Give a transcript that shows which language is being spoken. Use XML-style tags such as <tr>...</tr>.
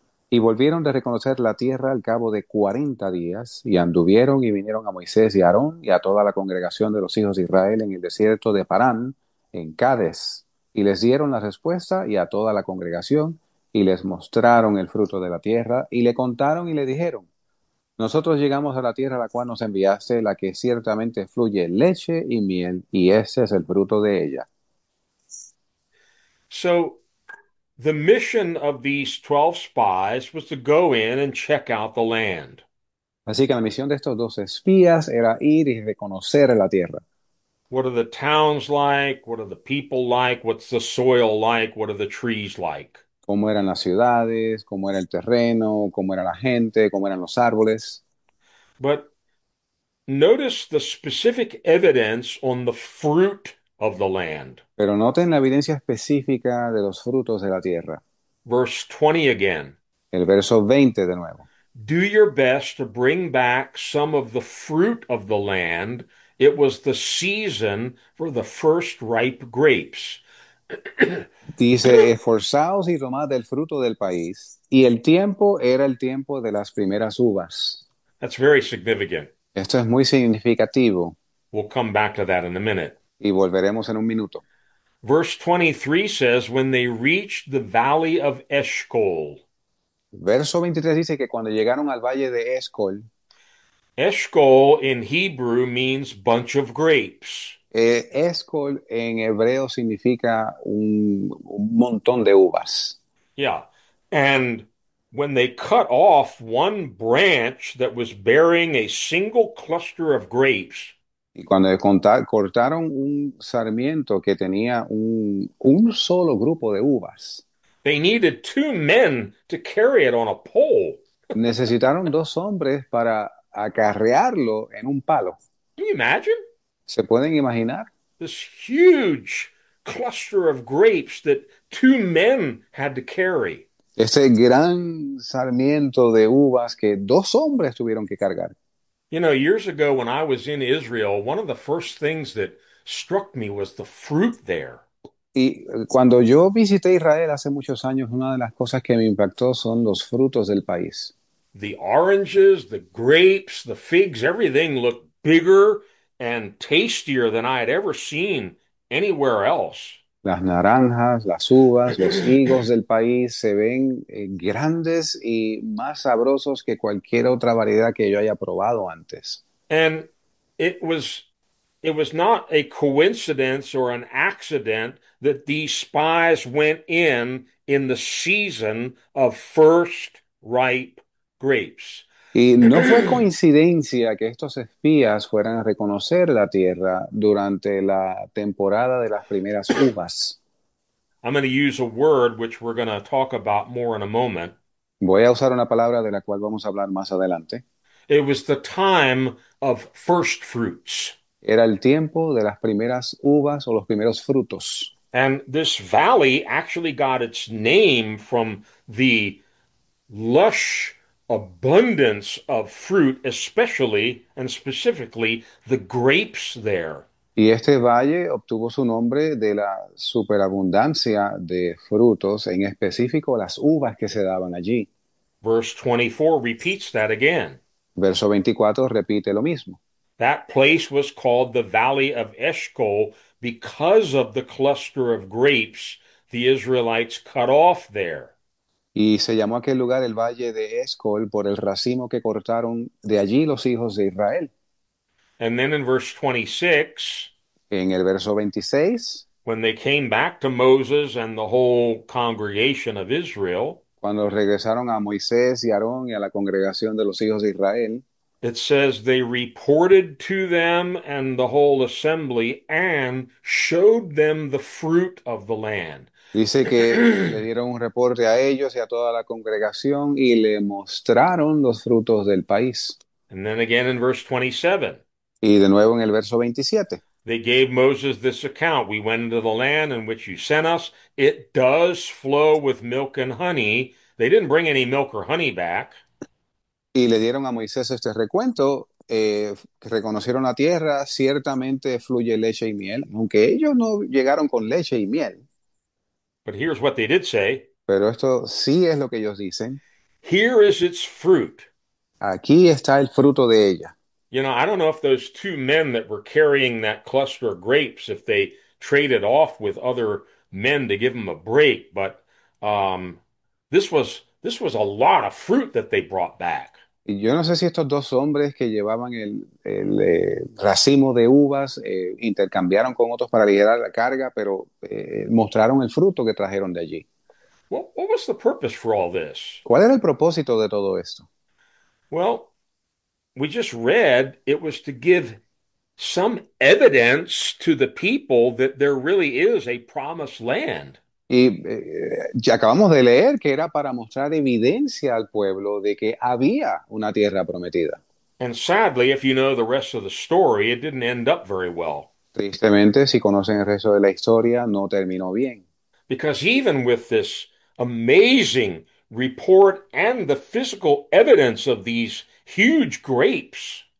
<es>Y volvieron de reconocer la tierra al cabo de 40 días, y anduvieron y vinieron a Moisés y a Aarón y a toda la congregación de los hijos de Israel en el desierto de Parán, en Cades, y les dieron la respuesta y a toda la congregación, y les mostraron el fruto de la tierra, y le contaron y le dijeron: Nosotros llegamos a la tierra a la cual nos enviaste, la que ciertamente fluye leche y miel, y ese es el fruto de ella.</es> <en>So the mission of these 12 spies was to go in and check out the land.</en> <es>Así que la misión de estos dos espías era ir y reconocer la tierra.</es> <en>What are the towns like? What are the people like? What's the soil like? What are the trees like?</en> <es>¿Cómo eran las ciudades? ¿Cómo era el terreno? ¿Cómo era la gente? ¿Cómo eran los árboles?</es> <en>But notice the specific evidence on the fruit of the land.</en> <es>Pero noten la evidencia específica de los frutos de la tierra.</es> <en>Verse 20 again.</en> <es>El verso 20 de nuevo.</es> <en>Do your best to bring back some of the fruit of the land. It was the season for the first ripe grapes.</en> <es>Dice: Esforzaos y tomad del fruto del país, y el tiempo era el tiempo de las primeras uvas.</es> <en>That's very significant.</en> <es>Esto es muy significativo.</es> <en>We'll come back to that in a minute.</en> <es>Y volveremos en un minuto.</es> <en>Verse 23 says, when they reached the valley of Eshcol.</en> <es>Verso 23 dice que cuando llegaron al valle de Escol,</es> <en>Eshcol in Hebrew means bunch of grapes.</en> <es>Escol en hebreo significa un montón de uvas.</es> <en>Yeah. And when they cut off one branch that was bearing a single cluster of grapes,</en> <es>Y cuando cortaron un sarmiento que tenía un solo grupo de uvas,</es> <en>they needed two men to carry it on a pole.</en> <es>necesitaron dos hombres para acarrearlo en un palo.</es> <en>Can you imagine?</en> <es>¿Se pueden imaginar?</es> <en>This huge cluster of grapes that two men had to carry.</en> <es>Ese gran sarmiento de uvas que dos hombres tuvieron que cargar.</es> <en>You know, years ago when I was in Israel, one of the first things that struck me was the fruit there.</en> <es>Y cuando yo visité Israel hace muchos años, una de las cosas que me impactó son los frutos del país.</es> <en>The oranges, the grapes, the figs, everything looked bigger and tastier than I had ever seen anywhere else.</en> <es>Las naranjas, las uvas, los higos del país se ven grandes y más sabrosos que cualquier otra variedad que yo haya probado antes.</es> <en>And it was not a coincidence or an accident that these spies went in the season of first ripe grapes.</en> <es>Y no fue coincidencia que estos espías fueran a reconocer la tierra durante la temporada de las primeras uvas.</es> <en>Going to use a word which we're going to talk about more in a moment.</en> <es>Voy a usar una palabra de la cual vamos a hablar más adelante.</es> <en>It was the time of first fruits.</en> <es>Era el tiempo de las primeras uvas o los primeros frutos.</es> <en>And this valley actually got its name from the lush abundance of fruit, especially and specifically the grapes there.</en> <es>Y este valle obtuvo su nombre de la superabundancia de frutos, en específico las uvas que se daban allí.</es> <en>Verse 24 repeats that again.</en> <es>Verso 24 repite lo mismo.</es> <en>That place was called the Valley of Eshcol because of the cluster of grapes the Israelites cut off there.</en> <es>Y se llamó aquel lugar el valle de Escol por el racimo que cortaron de allí los hijos de Israel.</es> <en>And then in verse 26,</en> <es>En el verso 26,</es> <en>When they came back to Moses and the whole congregation of Israel,</en> <es>cuando regresaron a Moisés y Aarón y a la congregación de los hijos de Israel,</es> <en>it says they reported to them and the whole assembly and showed them the fruit of the land.</en> <es>dice que le dieron un reporte a ellos y a toda la congregación y le mostraron los frutos del país.</es> <en>And then again in verse 27.</en> <es>Y de nuevo en el verso 27.</es> <en>They gave Moses this account. We went into the land in which you sent us. It does flow with milk and honey. They didn't bring any milk or honey back.</en> <es>Y le dieron a Moisés este recuento, reconocieron la tierra, ciertamente fluye leche y miel, aunque ellos no llegaron con leche y miel.</es> <en>But here's what they did say.</en> <es>Pero esto sí es lo que ellos dicen.</es> <en>Here is its fruit.</en> <es>Aquí está el fruto de ella.</es> <en>I don't know if those two men that were carrying that cluster of grapes, if they traded off with other men to give them a break, but this was a lot of fruit that they brought back.</en> <es>Yo no sé si estos dos hombres que llevaban el racimo de uvas intercambiaron con otros para liderar la carga, pero mostraron el fruto que trajeron de allí.</es> <en>What was the purpose for all this?</en> <es>¿Cuál era el propósito de todo esto?</es> <en>Well, we just read it was to give some evidence to the people that there really is a promised land.</en> <es>Y ya acabamos de leer que era para mostrar evidencia al pueblo de que había una tierra prometida.</es> <en>And sadly, if you know the rest of the story, it didn't end up very well.</en> <es>Tristemente, si conocen el resto de la historia, no terminó bien.</es> <en>Because even with this amazing report and the physical evidence of these huge grapes,</en>